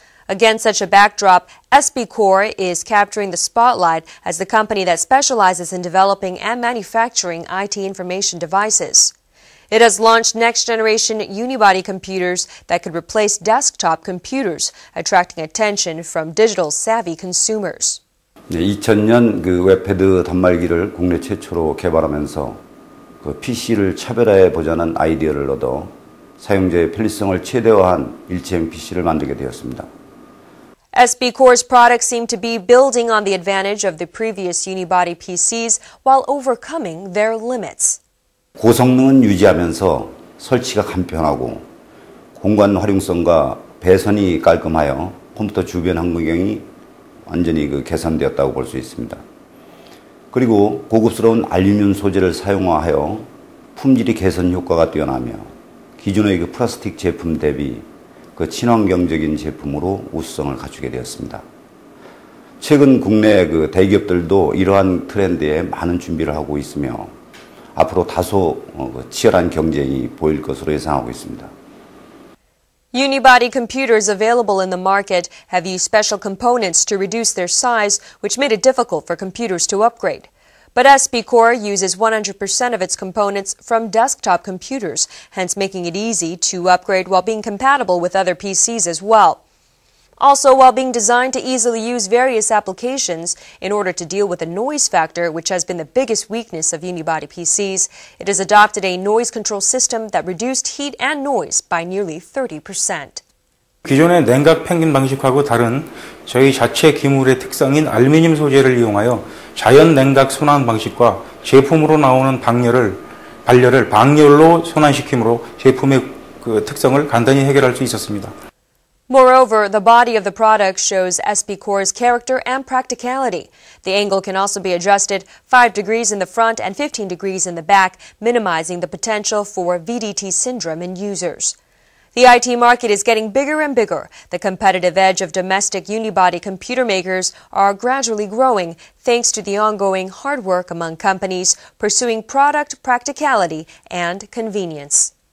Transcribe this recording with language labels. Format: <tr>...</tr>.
<en>Against such a backdrop, SB Corp is capturing the spotlight as the company that specializes in developing and manufacturing IT information devices. It has launched next-generation unibody computers that could replace desktop computers, attracting attention from digital-savvy consumers.</en> <ko>2000년 그 웹패드 단말기를 국내 최초로 개발하면서 그 PC를 차별화해 보자는 아이디어를 얻어 사용자의 편리성을 최대화한 일체형 PC를 만들게 되었습니다.</ko> <en>SB Corp's products seem to be building on the advantage of the previous unibody PCs while overcoming their limits.</en> <ko>고성능은 유지하면서 설치가 간편하고 공간 활용성과 배선이 깔끔하여 컴퓨터 주변 환경이 완전히 개선되었다고 볼 수 있습니다. 그리고 고급스러운 알루미늄 소재를 사용하여 품질이 개선 효과가 뛰어나며 기존의 플라스틱 제품 대비 친환경적인 제품으로 우수성을 갖추게 되었습니다. 최근 국내 대기업들도 이러한 트렌드에 많은 준비를 하고 있으며 앞으로 다소 치열한 경쟁이 보일 것으로 예상하고 있습니다.</ko> <en>Unibody computers available in the market have used special components to reduce their size, which made it difficult for computers to upgrade. But SB Corp uses 100% of its components from desktop computers, hence making it easy to upgrade while being compatible with other PCs as well. Also, while being designed to easily use various applications, in order to deal with the noise factor, which has been the biggest weakness of unibody PCs, it has adopted a noise control system that reduced heat and noise by nearly 30%.</en> <ko>기존의 냉각 펭귄 방식하고 다른 저희 자체 기물의 특성인 알루미늄 소재를 이용하여 자연 냉각 순환 방식과 제품으로 나오는 발열을 방열로 순환시킴으로 제품의 특성을 간단히 해결할 수 있었습니다.</ko> <en>Moreover, the body of the product shows SB Corp's character and practicality. The angle can also be adjusted 5 degrees in the front and 15 degrees in the back, minimizing the potential for VDT syndrome in users. The IT market is getting bigger and bigger. The competitive edge of domestic unibody computer makers are gradually growing thanks to the ongoing hard work among companies pursuing product practicality and convenience.</en>